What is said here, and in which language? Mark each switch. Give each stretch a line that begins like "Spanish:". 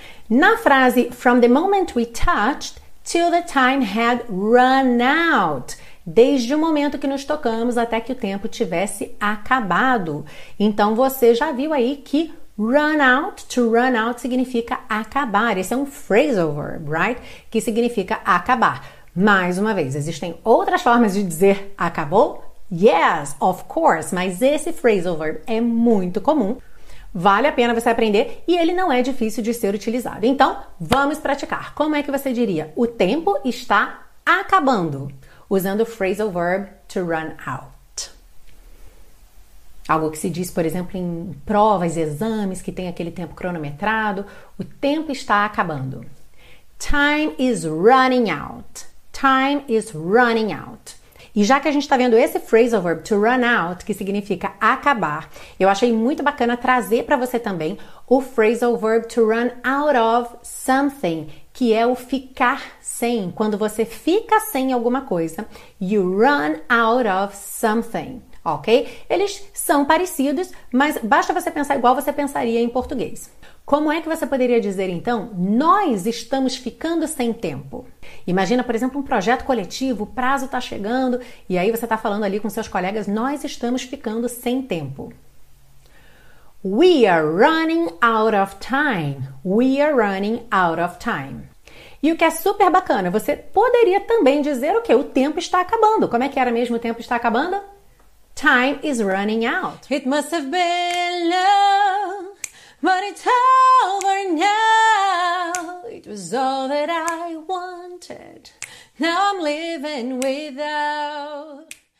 Portuguese: Na frase,
English: from the moment we touched till the time had run out.
Portuguese: Desde o momento que nos tocamos até que o tempo tivesse acabado. Então você já viu aí que run out, to run out significa acabar. Esse é um phrasal verb, right? Que significa acabar. Mais uma vez, existem outras formas de dizer acabou?
English: Yes, of course,
Portuguese: mas esse phrasal verb é muito comum. Vale a pena você aprender e ele não é difícil de ser utilizado. Então, vamos praticar. Como é que você diria? O tempo está acabando. Usando o phrasal verb to run out. Algo que se diz, por exemplo, em provas e exames que tem aquele tempo cronometrado. O tempo está acabando.
English: Time is running out. Time is running out.
Portuguese: E já que a gente está vendo esse phrasal verb to run out, que significa acabar, eu achei muito bacana trazer para você também o phrasal verb to run out of something, que é o ficar sem. Quando você fica sem alguma coisa,
English: you run out of something,
Portuguese: ok? Eles são parecidos, mas basta você pensar igual você pensaria em português. Como é que você poderia dizer, então, nós estamos ficando sem tempo? Imagina, por exemplo, um projeto coletivo, o prazo está chegando, e aí você está falando ali com seus colegas, nós estamos ficando sem tempo.
English: We are running out of time. We are running out of time.
Portuguese: E o que é super bacana, você poderia também dizer o quê? O tempo está acabando. Como é que era mesmo o tempo está acabando?
English: Time is running out. It must have been love. But it's over now. It was all that I wanted. Now I'm living without.